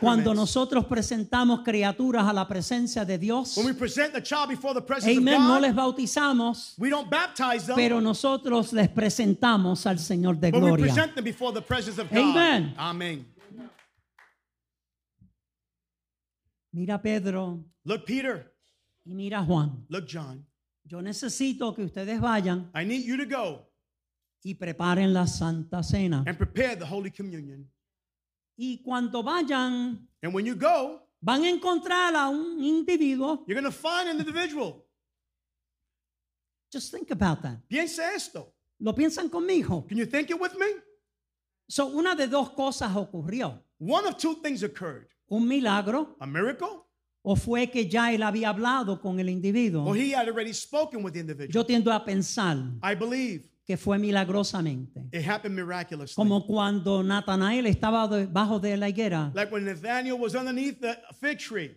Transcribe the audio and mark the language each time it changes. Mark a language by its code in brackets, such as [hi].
[es] Cuando nosotros presentamos criaturas a la presencia de Dios. [en] When we present the child before the presence amen, of God. [es] No les bautizamos. bautizamos, [en] we don't baptize them, [es] pero nosotros les presentamos al Señor de [en] but [es] gloria. [en] We present them before the presence of God. Amen. Amen. [es] Mira Pedro. [en] Look Peter. [es] Y mira Juan. [en] Look John. [es] Yo necesito que ustedes vayan. [en] I need you to go. [es] Y preparen la Santa Cena. [en] And prepare the Holy Communion. [es] Y cuando vayan, [en] and when you go, [es] van a encontrar a un individuo. [en] You're going to find an individual. Just think about that. [es] Piensa esto. ¿Lo piensan conmigo? [en] Can you think it with me? [es] So una de dos cosas ocurrió. [en] One of two things occurred. [es] Un milagro. [en] A miracle. [es] O fue que ya él había hablado con el individuo. [en] Or he had already spoken with the individual. [es] Yo tiendo a pensar. [en] I believe. [es] Que fue milagrosamente. [en] It happened miraculously. [es] Como cuando Natanael estaba debajo de la higuera. [en] Like when Nathaniel was underneath the fig tree.